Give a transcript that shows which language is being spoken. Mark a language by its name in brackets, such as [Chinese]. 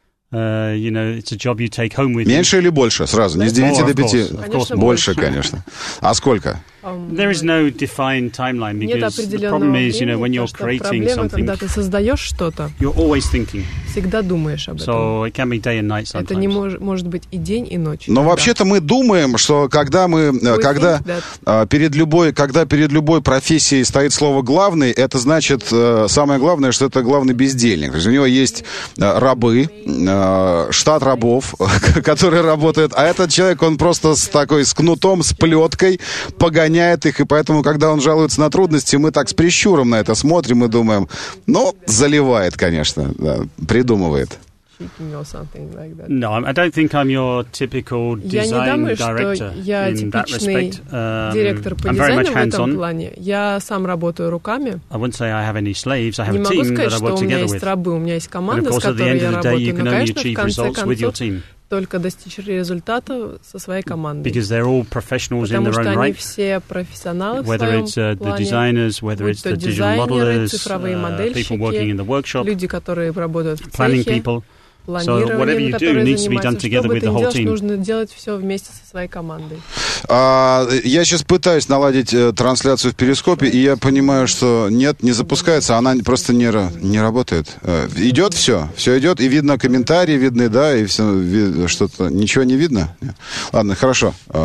[English] You know, it's a job you take home with you. [Russian] Меньше или больше? Сразу, не с 9 до 5. [English] Of course, [Russian] больше, конечно. А сколько? [English] There is no defined timeline because the problem is, you know, when you're creating something, you're always thinking. [Russian] Всегда думаешь об этом. [English] So it can be day and night sometimes. [Russian] Это не может быть и день, и ночь. Но вообще-то мы думаем, что когда мы, когда перед любой профессией стоит слово «главный», это значит самое главное, что это главный бездельник. То есть у него есть рабы, штат рабов, которые работают, а этот человек, он просто с такой, с кнутом, с плеткой, гоняет их, и поэтому, когда он жалуется на трудности, мы так с прищуром на это смотрим и думаем, ну, заливает, конечно, да, придумывает. [English] No, I don't think I'm your typical design director in that respect. I'm very much hands-on. [Russian] Я сам работаю руками. [English] I wouldn't say I have any slaves. I have a team that I work together with. And of course, at the end of the day, you can only achieve results with your team. [Russian] Только достичь результата со своей командой. [English] Because they're all professionals in their own right. [Russian] Потому что они все профессионалы в своем плане. [English] Whether it's the designers, whether it's the digital modelers, [Russian] цифровые модельщики, [English] people working in the workshop, [Russian] люди, которые работают в цехе, [English] planning people. So whatever you do needs to be done together with the whole team. [Russian] Нужно делать все вместе со своей командой. Я сейчас пытаюсь наладить трансляцию в Перископе, и я понимаю, что нет, не запускается, она просто не работает. Идет все, все идет, и видно комментарии, видны, да, и все, что-то, ничего не видно? Ладно, хорошо.